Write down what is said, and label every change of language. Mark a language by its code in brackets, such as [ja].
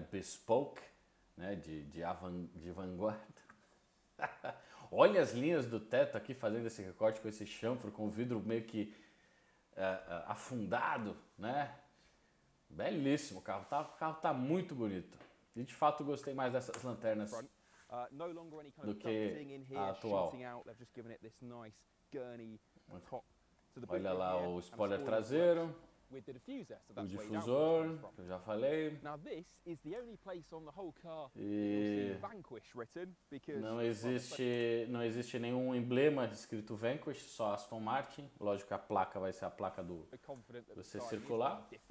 [pt] Bespoke, né? De vanguarda. Olha as linhas do teto aqui fazendo esse recorte com esse chanfro, com o vidro meio que afundado, né? Belíssimo, o carro tá muito bonito. E de fato gostei mais dessas lanternas. [en] No longer any kind of dusting in here, shooting out. They've just given it this nice gurney top. [pt] Olha lá o spoiler traseiro. [en] With the diffuser, so that's [pt] o difusor, que eu já falei. [en] Now this is the only place on the whole car Vanquish written because [pt] não existe nenhum emblema escrito Vanquish, só Aston Martin. Lógico que a placa vai ser a placa do você circular.